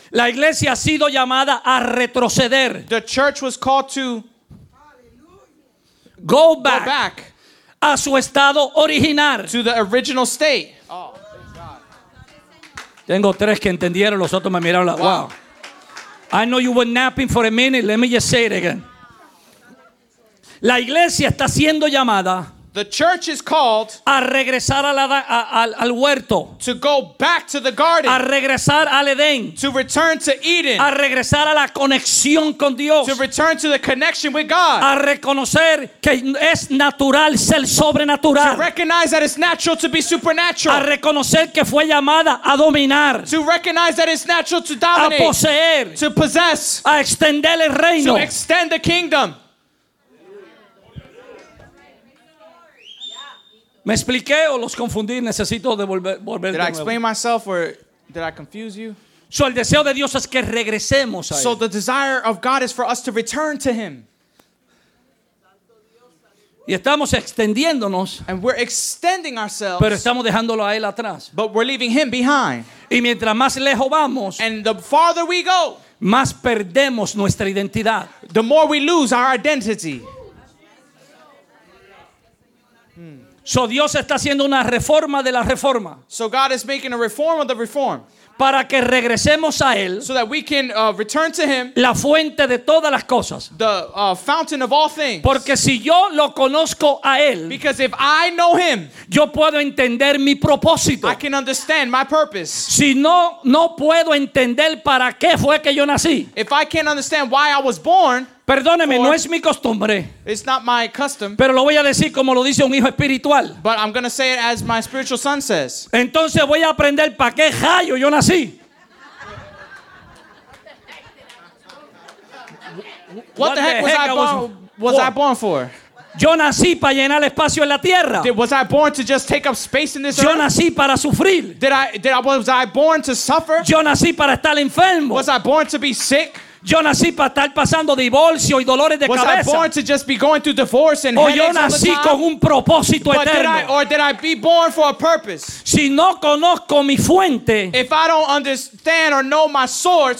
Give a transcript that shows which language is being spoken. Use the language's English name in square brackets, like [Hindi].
[Spanish] La iglesia ha sido llamada a retroceder. [English] The church was called to go back. Go back. [Spanish] A su estado original. [English] To the original state. [Spanish] Tengo tres que entendieron, los otros me miraron [English] like, wow. I know you were napping for a minute, let me just say it again. [Spanish] La iglesia está siendo llamada. [English] The church is called. [Spanish] A regresar al huerto. [English] To go back to the garden. [Spanish] A regresar al Edén. [English] To return to Eden. [Spanish] A regresar a la conexión con Dios. [English] To return to the connection with God. [Spanish] A reconocer que es natural ser sobrenatural. [English] To recognize that it's natural to be supernatural. [Spanish] A reconocer que fue llamada a dominar. [English] To recognize that it's natural to dominate. [Spanish] A poseer. [English] To possess. [Spanish] A extender el reino. [English] To extend the kingdom. [Spanish] ¿Me expliqué o los confundí? Necesito volver. [English] Did I explain myself or did I confuse you? [Spanish] So el deseo de Dios es que regresemos a él. [English] So the desire of God is for us to return to him. [Spanish] Y estamos extendiéndonos. [English] And we're extending ourselves. [Spanish] Pero estamos dejándolo a él atrás. [English] But we're leaving him behind. [Spanish] Y mientras más lejos vamos. [English] And the farther we go. [Spanish] Más perdemos nuestra identidad. [English] The more we lose our identity. [Spanish] So Dios está haciendo una reforma de la reforma. [English] So God is making a reform of the reform. [Spanish] Para que regresemos a él. [English] So that we can return to him. [Spanish] La fuente de todas las cosas. [English] The fountain of all things. [Spanish] Porque si yo lo conozco a él. [English] Because if I know him. [Spanish] Yo puedo entender mi propósito. [English] I can understand my purpose. [Spanish] Si no puedo entender para qué fue que yo nací. [English] If I can't understand why I was born. [Spanish] Perdóneme, no es mi costumbre. [English] It's not my custom. [Spanish] Pero lo voy a decir como lo dice un hijo espiritual. [English] But I'm going to say it as my spiritual son says. [Spanish] Entonces voy a aprender para qué rayo yo nací. [English] What the heck was I born for? [Spanish] Yo nací para llenar el espacio en la tierra. [English] Was I born to just take up space in this [Spanish] yo [English] earth? [Spanish] Yo nací para sufrir. [English] Was I born to suffer? [Spanish] Yo nací para estar enfermo. [English] Was I born to be sick? [Spanish] Yo nací para estar pasando divorcio y dolores de cabeza. [English] Was I born to just be going through divorce and headaches? [Spanish] O yo nací con un propósito eterno. [English] Or did I be born for a purpose? [Spanish] Si no conozco mi fuente. [English] If I don't understand or know my source.